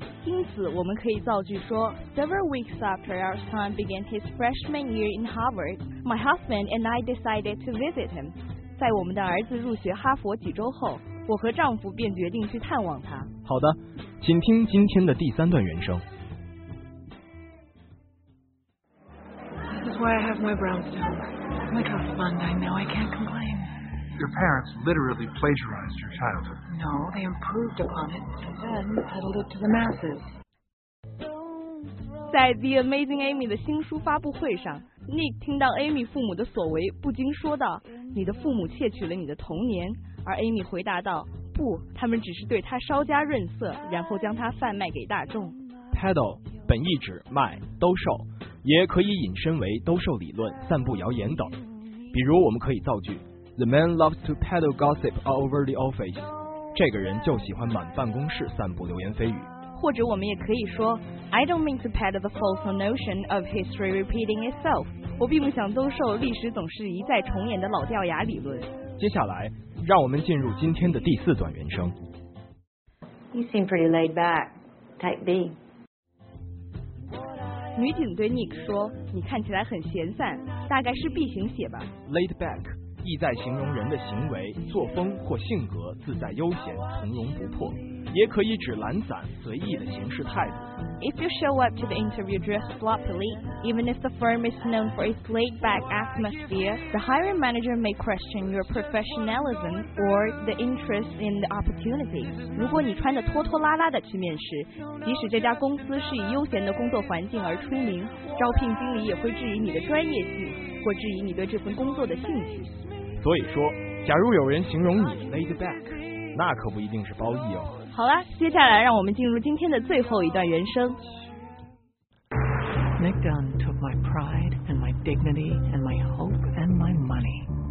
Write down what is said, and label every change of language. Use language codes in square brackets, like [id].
[zh] 因此我们可以造句说， [en] Several weeks after our son began his freshman year in Harvard, my husband and I decided to visit him. [zh] 在我们的儿子入学哈佛几周后，我和丈夫便决定去探望他。好的，请听今天的第三段原声。 [en] This is why I have my brownstone. Look how fun I know, I can't complain. Your parents literally plagiarized your childhood. No, they improved upon it, and then peddled it to the masses. [zh] 在 The Amazing Amy 的新书发布会上， Nick 听到 Amy 父母的所为，不禁说道，你的父母窃取了你的童年。而 Amy 回答道，不，他们只是对他稍加润色，然后将他贩卖给大众。 Peddle 本意指卖、兜售，也可以引申为兜售理论、散布谣言等。比如我们可以造句， [en] The man loves to peddle gossip all over the office. [zh] 这个人就喜欢满办公室散布流言蜚语。或者我们也可以说， [en] I don't mean to peddle the false notion of history repeating itself. [zh] 我并不想兜售历史总是一再重演的老掉牙理论。接下来让我们进入今天的第四段原声。 [en] You seem pretty laid back. Type B. [zh] 女警对 Nick 说，你看起来很闲散，大概是 B 型血吧。 Laid back意在形容人的行为、作风或性格自在悠闲、从容不迫，也可以指懒散、随意的行事态度。 [en] If you show up to the interview dressed sloppily, even if the firm is known for its laid-back atmosphere, the hiring manager may question your professionalism or the interest in the opportunity. [zh] 如果你穿得拖拖拉拉的去面试，即使这家公司是以悠闲的工作环境而出名，招聘经理也会质疑你的专业性，或质疑你对这份工作的兴趣。所以说，假如有人形容你 laid back， 那可不一定是褒义哦。好了，接下来让我们进入今天的最后一段原声。 [en] Nick Dunn took my pride and my dignity and my hope and my money.